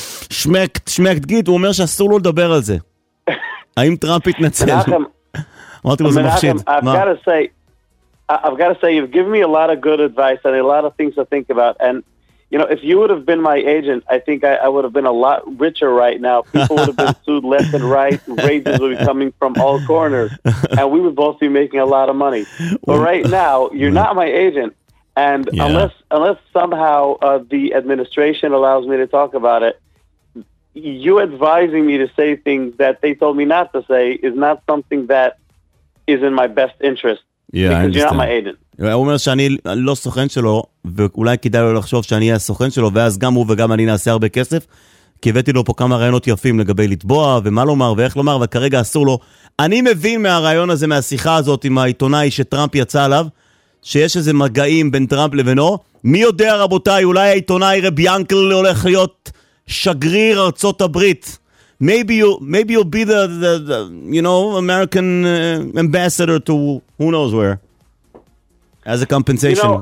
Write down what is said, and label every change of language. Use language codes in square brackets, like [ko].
[he] שמקט גיט, הוא אומר שאסור לו לדבר על זה. האם טראמפ התנצל? אמרתי לו זה מחשיד. [en] I've got to say, you've given me a lot of good advice and a lot of things to think about. And, you know, if you would have been my agent, I think I would have been a lot richer right now. People would have been sued left and right. Raises would be coming from all corners. And we would both be making a lot of money. But right now, you're not my agent. And unless somehow the administration allows me to talk about it, you advising me to say things that they told me not to say is not something that is in my best interest. Yeah, because you're not my agent. [he] הוא אומר שאני לא סוכן שלו, ואולי כדאי לו לחשוב שאני אהיה סוכן שלו, ואז גם הוא וגם אני נעשה הרבה כסף, כי הבאתי לו פה כמה רעיונות יפים לגבי לתבוע, ומה לומר ואיך לומר, וכרגע אסור לו. אני מבין מהרעיון הזה, מהשיחה הזאת עם העיתונאי שטראמפ יצא עליו, שיש איזה מגעים בין טראמפ לבינו. מי יודע רבותיי, אולי העיתונאי רב ינקל הולך להיות שגריר ארצות הברית. [en] Maybe you'll be the you know American ambassador to who knows where as a compensation.